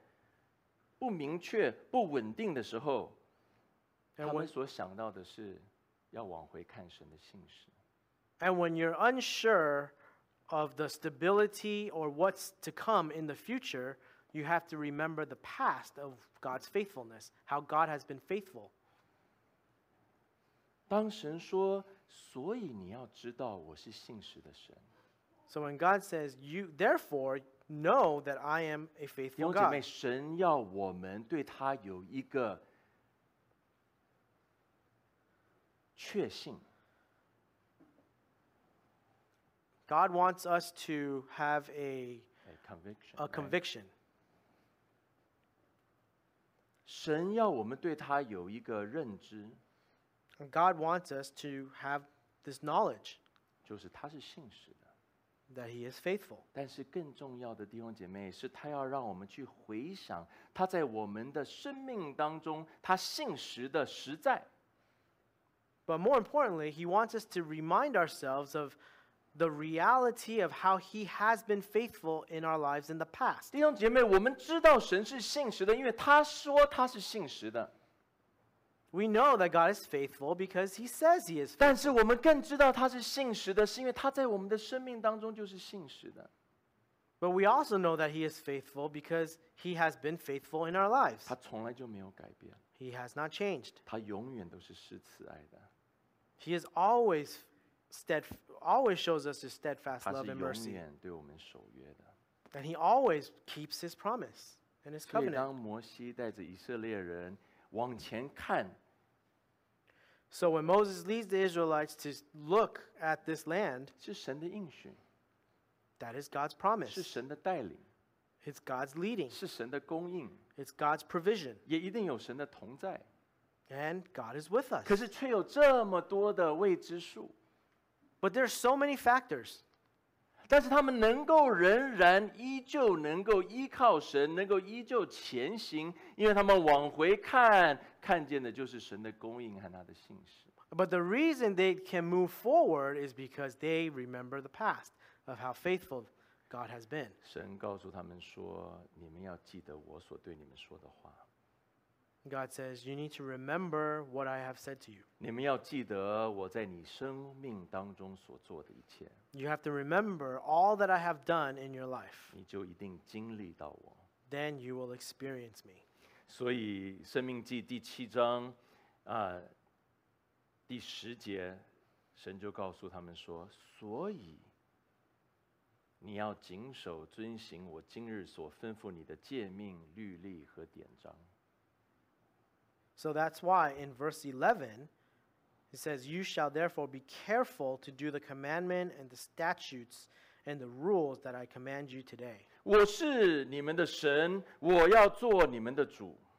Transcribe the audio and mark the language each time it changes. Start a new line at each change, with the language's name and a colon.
Chinese: 对你前面的道路，对未来，事实上是充满不明确、不稳定的时候， 他们所想到的是要往回看神的信实。
English: And when you're unsure of the stability or what's to come in the future, you have to remember the past of God's faithfulness, how God has been faithful.
Chinese: 当神说， 所以你要知道我是信实的神。
English: So when God says, you therefore know that I am a faithful God.
Chinese: 弟兄姐妹, 神要我们对他有一个确信。
English: God wants us to have a conviction. Conviction. Right.
Chinese: 神要我们对他有一个认知。
English: God wants us to have this knowledge
Chinese: 就是他是信实的,
English: that He is faithful.
Chinese: 但是更重要的弟兄姐妹, 是他要让我们去回想他在我们的生命当中, 他信实的实在。
English: But more importantly, He wants us to remind ourselves of the reality of how He has been faithful in our lives in the past.
Chinese: 弟兄姐妹, 我们知道神是信实的, 因为他说他是信实的。
English: We know that God is faithful because He says He is faithful.
Chinese: 但是我们更知道他是信实的, 是因为他在我们的生命当中就是信实的。
English: But we also know that He is faithful because He has been faithful in our lives.
Chinese: 他从来就没有改变。
English: He has not changed.
Chinese: 他永远都是施慈爱的。
English: He is always always shows us His steadfast love and mercy.
Chinese: 他是永远对我们守约的。
English: And He always keeps His promise and His covenant.
Chinese: 所以当摩西带着以色列人 往前看,
English: so when Moses leads the Israelites to look at this land,
Chinese: 是神的应许,
English: that is God's promise.
Chinese: 是神的带领,
English: it's God's leading.
Chinese: 是神的供应,
English: it's God's provision.
Chinese: 也一定有神的同在,
English: and God is with us.
Chinese: 可是却有这么多的未知数,
English: but there are so many factors.
Chinese: 但是他们能够仍然依旧能够依靠神，能够依旧前行，因为他们往回看，看见的就是神的供应和他的信实。
English: But the reason they can move forward is because they remember the past of how faithful God has been.
Chinese: 神告诉他们说，你们要记得我所对你们说的话。God
English: says, you need to remember what I have said to you.
Chinese: 你们要记得我在你生命当中所做的一切。
English: You have to remember all that I have done in your life.
Chinese: 你就一定经历到我。
English: Then you will experience me.
Chinese: 所以生命记第七章, 第十节, 神就告诉他们说, 所以你要谨守遵行我今日所吩咐你的诫命、律例和典章。
English: So that's why in verse 11, it says, you shall therefore be careful to do the commandment and the statutes and the rules that I command you today.
Chinese: 我是你们的神, 我要做你们的主。